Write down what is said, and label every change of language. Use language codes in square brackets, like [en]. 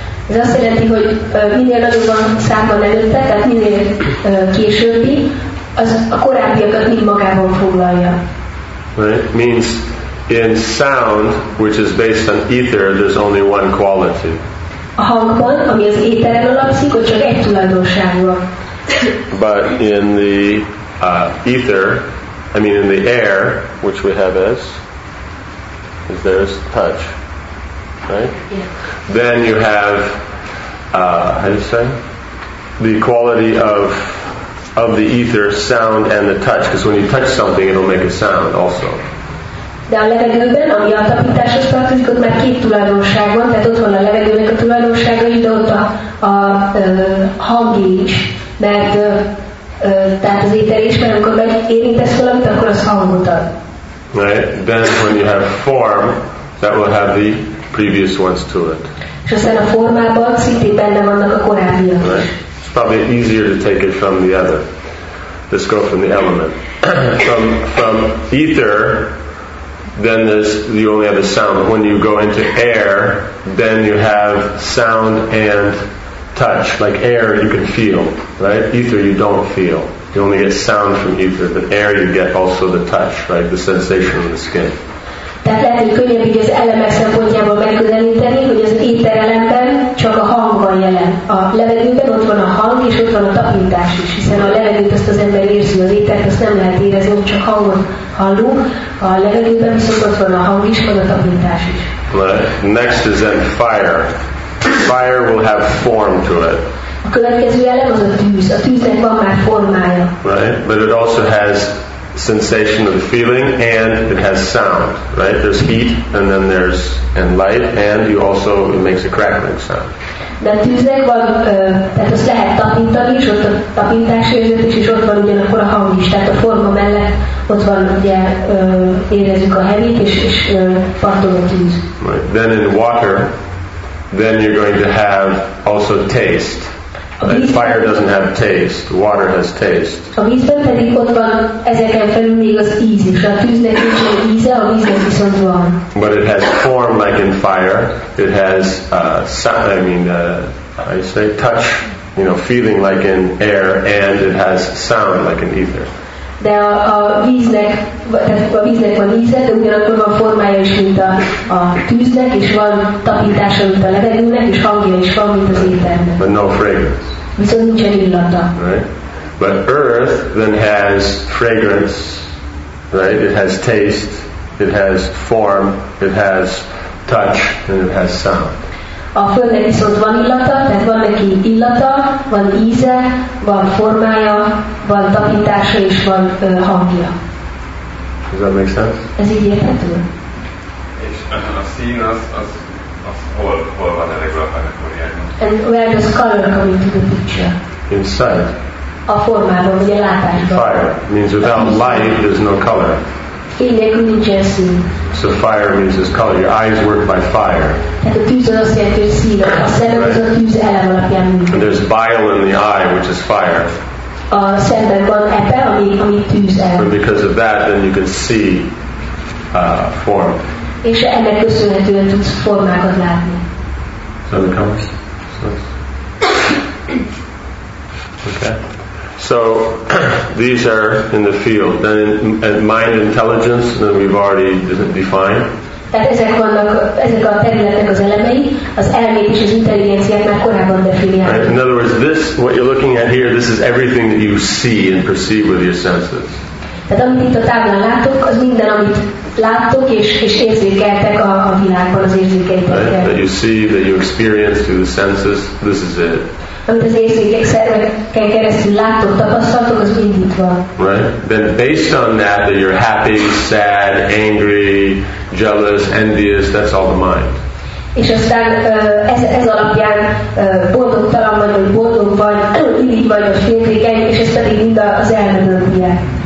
[hu] Ez azt jelenti, hogy minél nagyobb van számban előtte, tehát minél későbbi, az a korábbiakat mind magában foglalja. [en] Right? Means in sound, which is based on ether, there's only one quality. [hu] A hangban, ami az éteren alapszik, hogy csak egy tulajdonságban. [en] But in the ether, I mean in the air, which we have as, is there's touch. Right? Yeah. Then you have, how do you say, the quality of the ether, sound and the touch. Because when you touch something, it'll make a sound also. [hu] De a levegőben, ami a tapításhoz tartozik, ott már két tulajdonság van, tehát ott van a levegőnek a tulajdonsága, de ott a hangi is, mert tehát az éter is, mert amikor megérintesz valamit, akkor az hangot ad. [en] Right? Then when you have form, that will have the previous ones to it. [hu] És aztán a formában szintén benne vannak a korábbiak. [en] It's probably easier to take it from the other. Let's go from the element. from ether, then there's you only have a sound. When you go into air, then you have sound and touch. Like air, you can feel, right? Ether, you don't feel. You only get sound from ether, but air, you get also the touch, right? The sensation of the skin. [hu] Tehát lehet, hogy könnyebb így az elemek szempontjából megközelíteni, hogy az éterelemben csak a hang van jelen. A levegőben ott van a hang, és ott van a tapintás is, hiszen a levegőt azt az ember érzi, az étert azt nem lehet érezni, ott csak hangot hallunk. A levegőben viszont ott van a hang is, van a tapintás is. [en] Next is then fire. Fire will have form to it. [hu] A következő elem az a tűz. A tűznek van már formája. [en] Right, but it also has sensation of the feeling, and it has sound, right? There's heat, and then there's and light, and you also it makes a crackling sound. [hu] De tűznek van, tehát azt lehet tapintani, és ott a tapintás érzés, és ott van ugyanakkor a hang is. Tehát a forma mellett ott van, ugye érezzük a hevét, és pattog a tűz. [en] Right. Then in water, then you're going to have also taste. Right? Fire doesn't have taste. Water has taste. [hu] A vízben pedig ott van ezeken felül még az íz is. A tűznek nincs íze, a víznek viszont van. [en] But it has form like in fire. It has sound, I mean, I say touch, you know, feeling like in air, and it has sound like in ether. [hu] De a víznek van íze, de ugyanakkor van formája is, mint a tűznek, és van tapítása, mint a levegőnek, és hangja is van, mint az éternek. [en] But no fragrance. [hu] Viszont nincsen illata. [en] Right? But earth then has fragrance, right? It has taste, it has form, it has touch, and it has sound. [hu] A földnek viszont van illata, tehát van neki illata, van íze, van formája, van tapintása és van hangja. [en] Does that make sense? [hu] Ez így érthető? És a szín az hol van elég a fenekóriában? [en] And where does color come into the picture? Inside. [hu] a formában, vagy a látásban. [en] Fire means without light there's no color. [hu] Fény nélkül nincsen szín. [en] So fire means there's color. Your eyes work by fire. [hu] Hát a tűz az azt jelenti, hogy szín. A szemem az a tűz elem alapján működik. [en] There's bile in the eye, which is fire. [hu] A szemben van ebbe, ami tűz el. [en] And because of that, then you can see form. [hu] És ennek köszönhetően tudsz formákat látni. [en] So the colors. Okay. So these are in the field. Then in mind intelligence, then we've already defined. [hu] Tehát ezek a területek az elemei, az elmét és az intelligenciát már korábban definiáltuk. [en] Right. In other words, this what you're looking at here, this is everything that you see and perceive with your senses. [hu] Tehát amit itt a táblán látok, az minden, amit láttok és érzékeltek a világban, az érzékeitekkel. [en] Right. That you see, that you experience through the senses, this is it. [hu] Amit az érzékek szerveken keresztül láttok, tapasztaltok, az mind itt van. [en] Right. Then based on that, that you're happy, sad, angry, jealous, envious, that's all the mind. [hu] És aztán ez alapján boldogtalan vagy, vagy boldog vagy, irigy vagy, vagy féltékeny, és ez pedig mind az elmed alapján.